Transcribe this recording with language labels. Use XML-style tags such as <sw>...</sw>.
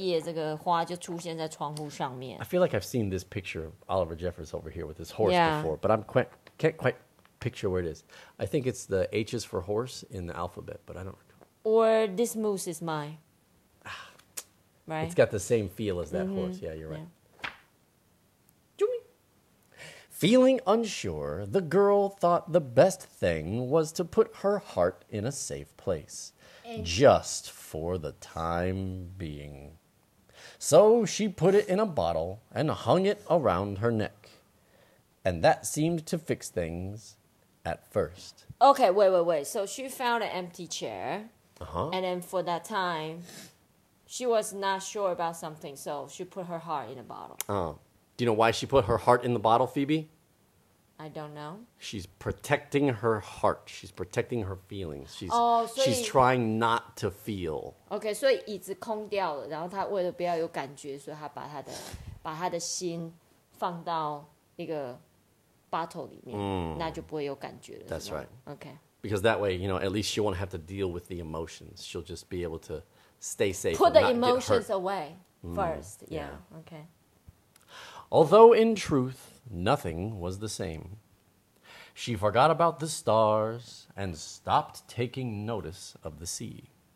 <zh>哦,最开始monkey有在雕那个花,然后呢,这一页这个花就出现在窗户上面。</zh> <en>I feel like I've seen this picture of Oliver Jeffers over here with his horse before, but I'm can't quite picture where it is. I think it's the H's for horse in the alphabet, but I don't recall. Or this moose is mine. Right? It's got the same feel as that horse. Yeah, you're right. Yeah. Feeling unsure, the girl thought the best thing was to put her heart in a safe place, just for the time being. So she put it in a bottle and hung it around her neck. And that seemed to fix things at first. Okay, wait. So she found an empty chair. Uh-huh. And then for that time, she was not sure about something, so she put her heart in a bottle. Oh. Do you know why she put her heart in the bottle, Phoebe? I don't know. She's protecting her heart. She's protecting her feelings. She's she's trying not to feel. Okay, so</en> <zh>椅子空掉了,然后她为了不要有感觉,所以她把她的心放到一个 bottle里面,那就不会有感觉了。</zh> <en>That's right. Okay. Because that way, you know, at least she won't have to deal with the emotions. She'll just be able to stay safe. Put the emotions away first. Yeah. Okay. Although in truth, nothing was the same. She forgot about the stars and stopped taking notice of the sea.</en>